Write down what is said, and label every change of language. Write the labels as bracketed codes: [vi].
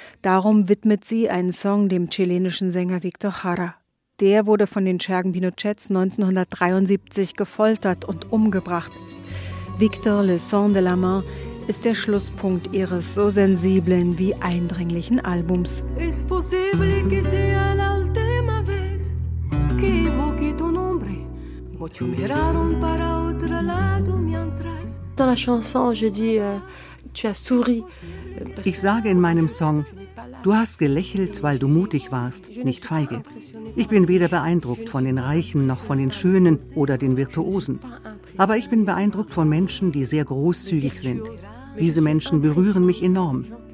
[de] Darum widmet sie einen Song dem chilenischen Sänger Victor Jara. Der wurde von den Schergen Pinochets 1973 gefoltert und umgebracht. Victor Le Son de la Main ist der Schlusspunkt ihres so sensiblen wie eindringlichen Albums. [es] Es posible que sea la última vez que evoque tu nombre. Mucho miraron para otro lado mientras. [fr] Dans la chanson, je dis, tu as souri. [de] Ich sage in meinem Song, du hast gelächelt, weil du mutig warst, nicht feige. Ich bin weder beeindruckt von den Reichen noch von den Schönen oder den Virtuosen. Aber ich bin beeindruckt von Menschen, die sehr großzügig sind. Diese Menschen berühren mich enorm.